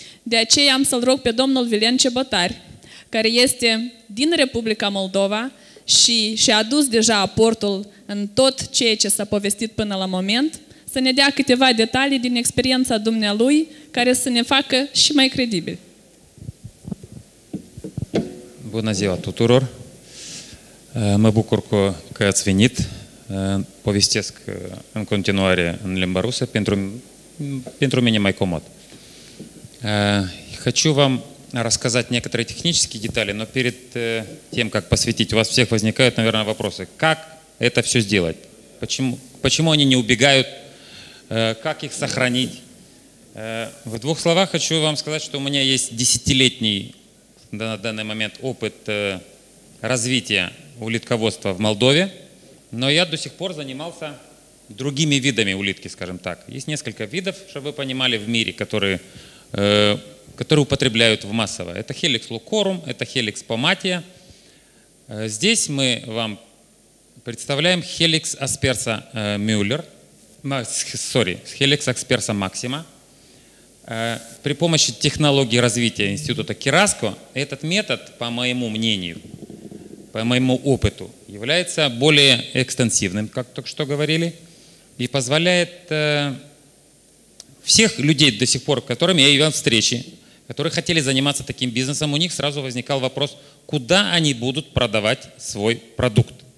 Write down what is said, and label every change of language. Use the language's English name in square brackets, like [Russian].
[Romanian] De aceea am să-l rog pe domnul Vilen Cebotari, care este din Republica Moldova și și-a adus deja aportul în tot ceea ce s-a povestit până la moment, să ne dea câteva detalii din experiența dumnealui care să ne facă și mai credibili. Bună ziua tuturor! Mă bucur că ați venit. Povestesc în continuare în limba rusă, pentru mine mai comod. [Russian] Хочу вам рассказать некоторые технические детали, но перед тем, как посвятить, у вас всех возникают, наверное, вопросы. Как это все сделать? Почему они не убегают? Как их сохранить? В двух словах хочу вам сказать, что у меня есть десятилетний на данный момент опыт развития улитководства в Молдове, но я до сих пор занимался другими видами улитки, скажем так. Есть несколько видов, чтобы вы понимали, в мире, которые которые употребляют в массово. Это Helix Locorum, это Helix Pomatia. Здесь мы вам представляем Helix Asperza Müller. Sorry, Helix Asperza Maxima. При помощи технологии развития института Кераско этот метод, по моему мнению, по моему опыту, является более экстенсивным, как только что говорили, и позволяет всех людей до сих пор, которыми я имел встречи, которые хотели заниматься таким бизнесом, у них сразу возникал вопрос, куда они будут продавать свой продукт.